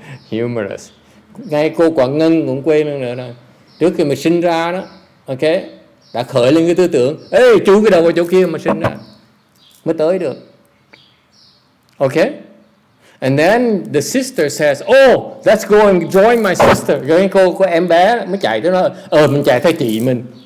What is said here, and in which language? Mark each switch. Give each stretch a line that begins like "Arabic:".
Vietnamese: Humorous. Ngay cô Quảng Ngân cũng quên nữa rồi. Trước khi mà sinh ra đó, ok, đã khởi lên cái tư tưởng, ê, chú cái đầu vào chỗ kia mà sinh ra, mới tới được.
English: Ok? And then the sister says, oh, let's go and join my sister.
Vietnamese: Rồi cô có em bé mới chạy tới nó, mình chạy theo chị mình.